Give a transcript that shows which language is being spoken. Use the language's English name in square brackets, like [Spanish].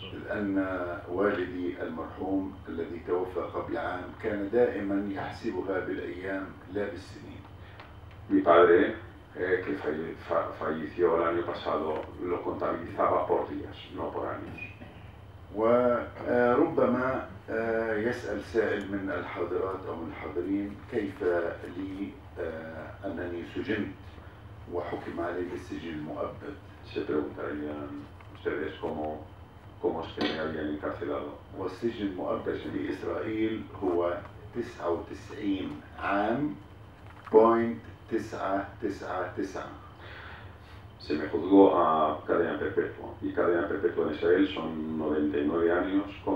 [Arabic] لأن والدي المرحوم الذي توفى قبل عام كان دائما يحسبها بالأيام لا بالسنين. [Spanish] Mi padre, que falleció el año pasado, lo contabilizaba por días, no por años. [Arabic] وربما يسأل سائل من الحاضرات أو من الحاضرين كيف لي أنني سجنت وحكم علي بالسجن المؤبد. [Spanish] Se preguntarían ustedes cómo es que me habían encarcelado. [Arabic] والسجن المؤبد في إسرائيل هو 99 عام .999. [Spanish] Se me juzgó a cadena perpetua y cadena perpetua en Israel son 99 años